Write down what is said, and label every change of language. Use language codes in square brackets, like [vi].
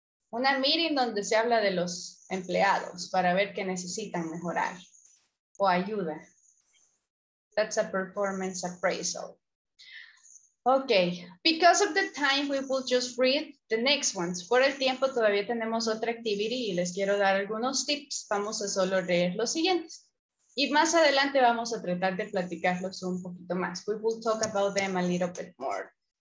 [es] Una meeting donde se habla de los empleados para ver qué necesitan mejorar o ayuda. [en] That's a performance appraisal. Okay, because of the time, we will just read the next ones. [es] Por el tiempo, todavía tenemos otra activity y les quiero dar algunos tips. Vamos a solo leer los siguientes. Y más adelante vamos a tratar de platicarlos un poquito más. [en] We will talk about them a little bit more.